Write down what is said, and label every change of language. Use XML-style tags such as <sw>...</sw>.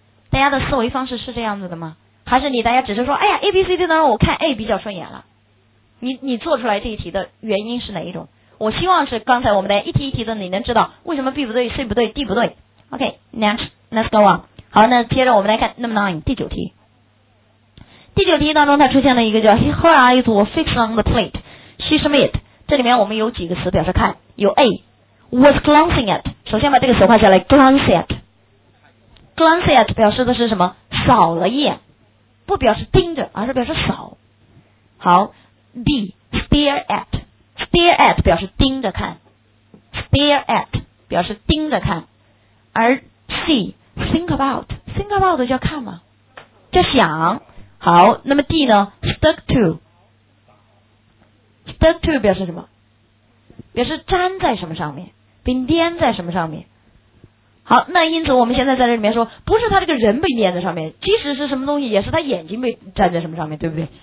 <zh>大家的思维方式是这样子的吗？还是你大家只是说哎呀 ABCD 呢我看 A 比较顺眼了？你做出来这一题的原因是哪一种？我希望是刚才我们的一题一题的你能知道为什么 B 不对 C 不对 D 不对。</zh> <en>OK next let's go on。</en> <zh>好，那接着我们来看 number nine 第九题。第九题当中它出现了一个叫 Her eyes were fixed on the plate she smeared。这里面我们有几个词表示看，有 A was glancing at， 首先把这个词画下来， glance at， glance at 表示的是什么？扫了一眼，不表示盯着，而是表示扫。好， B stare at， stare at 表示盯着看， stare at 表示盯着看。而 C think about， think about 叫看吗？叫想。好，那么 D 呢 stuck to 表示什么？表示粘在什么上面，并粘在什么上面。好，那因此我们现在在这里面说，不是他这个人被粘在上面，即使是什么东西也是他眼睛被粘在什么上面，对不对？</zh>